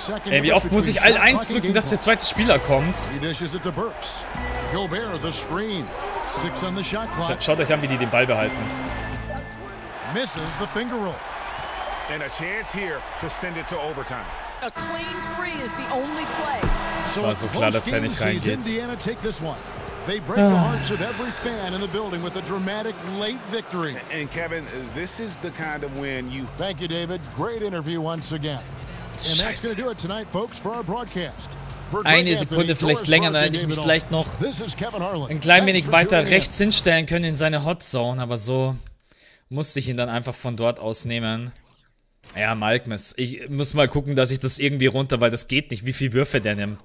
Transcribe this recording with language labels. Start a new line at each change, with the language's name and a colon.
German: Ey, wie oft muss ich all eins drücken, dass der zweite Spieler kommt? Schaut euch an, wie die den Ball behalten.
English: Misses the finger roll, and a chance here to send it to overtime. A clean three is the only play.
German: Es war so klar, dass er nicht reingeht.
English: They break the hearts of every fan in the building with a dramatic late victory. And Kevin, this is the kind of win you. Thank you, David. Great interview once again. And that's going to do it tonight, folks, for our broadcast.
German: Eine Sekunde vielleicht länger, dann hätte ich mich vielleicht noch ein klein wenig weiter rechts hinstellen können in seine Hot Zone, aber so musste ich ihn dann einfach von dort aus nehmen. Ja, Malkmus, ich muss mal gucken, dass ich das irgendwie runter, weil das geht nicht, wie viele Würfe der nimmt.